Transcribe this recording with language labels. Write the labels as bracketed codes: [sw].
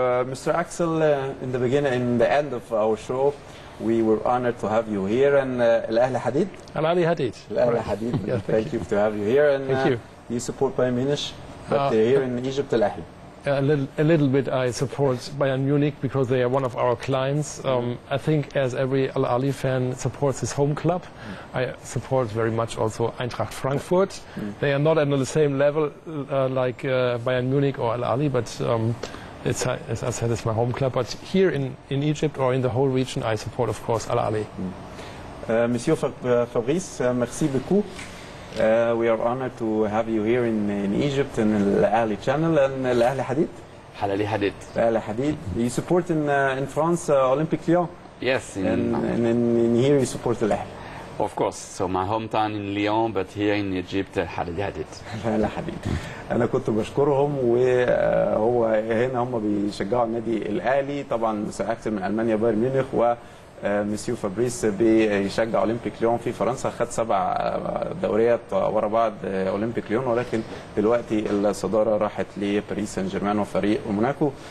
[en] Mister Axel, in the beginning and the end of our show, we were honored to have you here. [ar] And الاهلي حديد، الاهلي حديد، الاهلي حديد. [en] Thank you to have you here. And thank you. You support Bayern Munich, but here in Egypt, الاهلي. A little bit I support Bayern Munich because they are one of our clients. I think as every Al Ahly fan supports his home club, I support very much also Eintracht Frankfurt. They are not on the same level like Bayern Munich or Al Ahly, but it's, as I said, it's my home club. But here in Egypt or in the whole region, I support, of course, Al Ahly. [fr] Monsieur Fabrice, merci beaucoup. [en] We are honored to have you here in Egypt in Al Ahly channel. [ar] And Al Ahly Hadid? Al Ahly Hadid. Al Ahly Hadid. [en] You support in France Olympique Lyon? Yes. And in here you support Al Ahly? Of course. So my hometown in Lyon, but here in Egypt, [ar] Al Ahly Hadid. Al Ahly Hadid. أنا كنت بشكرهم، وهو هنا هم بيشجعوا نادي الأهلي طبعا، مستر أكسل من ألمانيا بايرن ميونخ، ومسيو فابريس بيشجع أولمبيك ليون في فرنسا. خد 7 دوريات ورا بعض أولمبيك ليون، ولكن دلوقتي الصدارة راحت لباريس سان جيرمان وفريق موناكو.